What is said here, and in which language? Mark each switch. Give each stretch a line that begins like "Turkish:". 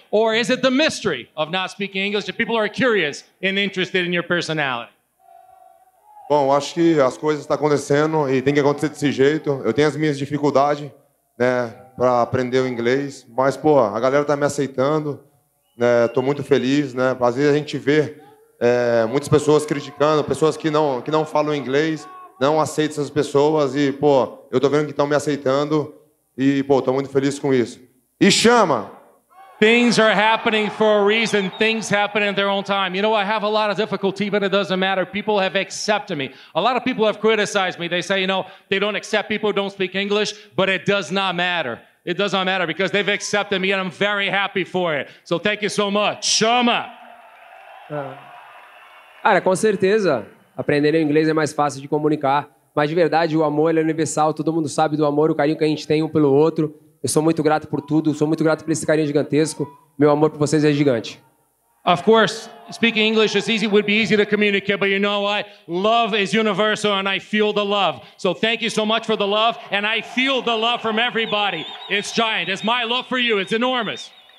English: Or is it the mystery of not speaking English that people are curious and interested in your personality?
Portuguese: Bom, acho que as coisas estão acontecendo e tem que acontecer desse jeito. Eu tenho as minhas dificuldades, né, para aprender o inglês, mas, pô, a galera está me aceitando, né, estou muito feliz, né, às vezes a gente vê muitas pessoas criticando, pessoas que não falam inglês, não aceitam essas pessoas e, pô, eu estou vendo que estão me aceitando e, pô, estou muito feliz com isso. E chama!
English: Things are happening for a reason. Things happen in their own time. You know, I have a lot of difficulty, but it doesn't matter. People have accepted me. A lot of people have criticized me. They say, you know, they don't accept people who don't speak English, but it does not matter. It does not matter because they've accepted me, and I'm very happy for it. So thank you so much. Chama!
Portuguese: Cara, com certeza, aprender inglês é mais fácil de comunicar. Mas, de verdade, o amor é universal. Todo mundo sabe do amor, o carinho que a gente tem um pelo outro. Eu sou muito grato por tudo, sou muito grato por esse carinho gigantesco. Meu amor por vocês é gigante.
English: Of course, speaking English is easy, would be easy to communicate, but you know what? Love is universal and I feel the love. So thank you so much for the love and I feel the love from everybody. It's giant. It's my love for you. It's enormous.